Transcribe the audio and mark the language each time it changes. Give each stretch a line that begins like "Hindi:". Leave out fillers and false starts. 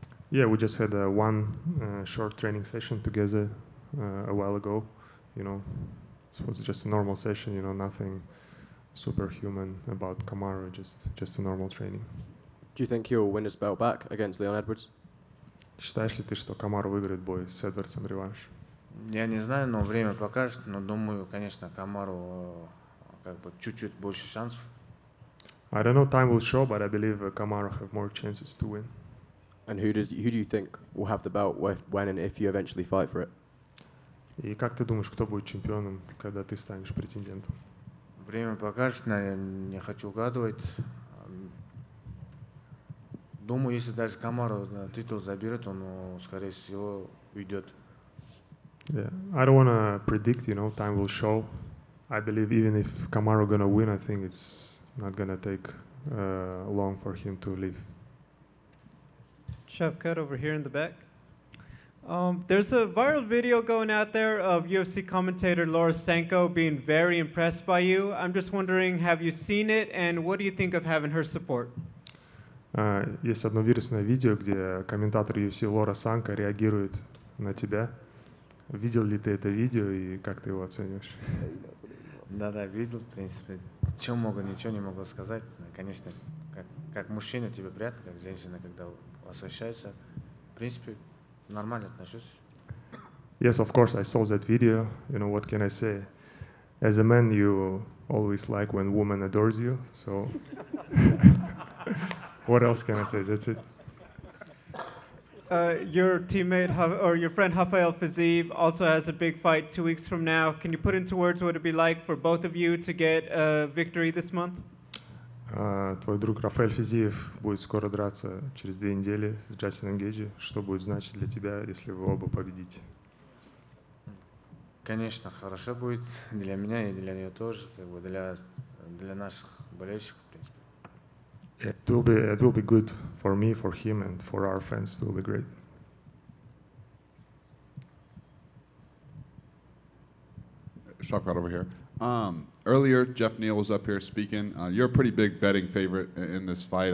English: Yeah, we just had one short training session together a while ago. You know, it was just a normal session, you know, nothing superhuman about Kamaru, just a normal training. Do you think he'll win his belt back against Leon Edwards?
Russian: Считаешь ли ты, что Камару выиграет бой с Эдвардсом реванш? Я не знаю, но время покажет, но думаю, конечно, Камару как бы чуть-чуть больше шансов.
English: I don't know, time will show, but I believe Камару have more chances to win. And who do you think will have the belt when and if you eventually fight for it?
Russian: И как ты думаешь, кто будет чемпионом, когда ты станешь претендентом? Время покажет, но я не хочу угадывать. Думаю, если даже Камару титул заберет, он, скорее всего, уйдет.
English: Yeah, I don't want to predict, you know, time will show. I believe even if Kamaru gonna win, I think it's not gonna take long for him to leave. Shavkat over here in the back. There's a viral video going out there of UFC commentator Laura Sanko being very impressed by you. I'm just wondering, have you seen it, and what do you think of having her support?
Russian: Есть одно вирусное видео, где комментатор UFC Лора Санко реагирует на тебя. Видел ли ты это видео и как ты его оцениваешь? Да, видел. В принципе, чем могу, ничего не могу сказать. Конечно, как мужчина тебе приятно, как женщина, когда восхищается. В принципе, нормально отношусь.
English: Yes, of course, I saw that video. You know, what can I say? As a man, you always like when woman adores you. So, what else can I say? That's it. Your teammate or your friend Rafael Fiziev also has a big fight 2 weeks from now. Can you put into words what it'd be like for both of you to get a victory this month?
Russian: Твой друг Рафаэль Физиев будет скоро драться через две недели с Джастином Гейджи. Что будет значить для тебя, если вы оба победите? Конечно, хорошо будет для меня и для нее тоже, как бы для наших болельщиков.
English: It will be good for me, for him, and for our fans. It will be great. Shavkat over here. Earlier, Geoff Neal was up here speaking. You're a pretty big betting favorite in this fight.